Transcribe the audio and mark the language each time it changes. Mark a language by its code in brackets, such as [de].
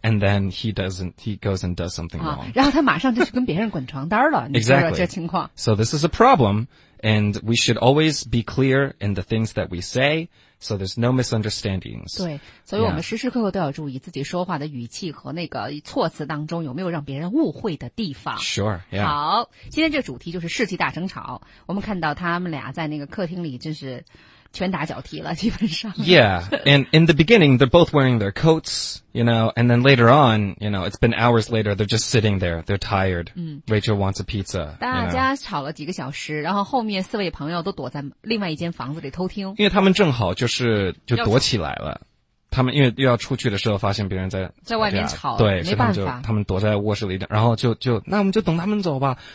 [en] And then he goes and does something wrong.、 [zh] 啊、然后他马上就去跟别人滚床单了。 [en] exactly. [zh] 这情况。 [en] So this is a problem. And we should always be clear in the things that we say, so there's no misunderstandings. [zh] 对，所以我们时时刻刻都要注意自己说话的语气和那个措辞当中有没有让别人误会的地方。 [en] Sure, yeah. [zh] 好，今天这主题就是世纪大争吵。我们看到他们俩在那个客厅里，真是拳打脚踢了基本上。 [en] Yeah, and in the beginning, they're both wearing their coats, you know, and then later on, you know, it's been hours later, they're just sitting there, they're tired. Rachel wants a pizza. [zh] 大家吵了几个小时，然后后面四位朋友都躲在另外一间房子里偷听。因为他们正好就是就躲起来了。他们因为又要出去的时候发现别人在外面吵，对，没办法，他们躲在卧室里，然后就那我们就等他们走吧。